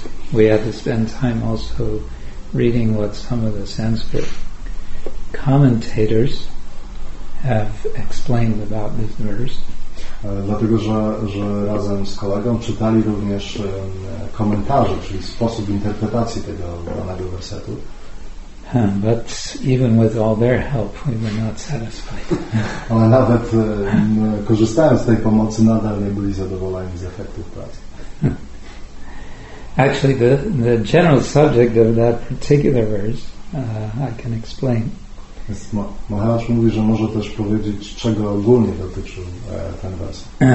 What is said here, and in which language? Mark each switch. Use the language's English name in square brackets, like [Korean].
[English] We had to spend time also reading what some of the Sanskrit commentators have explained about this verse. [Polish] Dlatego, że razem z kolegą czytali również komentarze, czyli sposób interpretacji tego danego wersetu. [English] But even with all their help, we were not satisfied. [Polish] Ale nawet korzystając z tej pomocy, nadal nie byli zadowoleni z efektów pracy. [English] Actually, the general subject of that particular verse, I can explain. [Polish] Maharaj mówi, że może też powiedzieć, czego ogólnie dotyczył ten wers.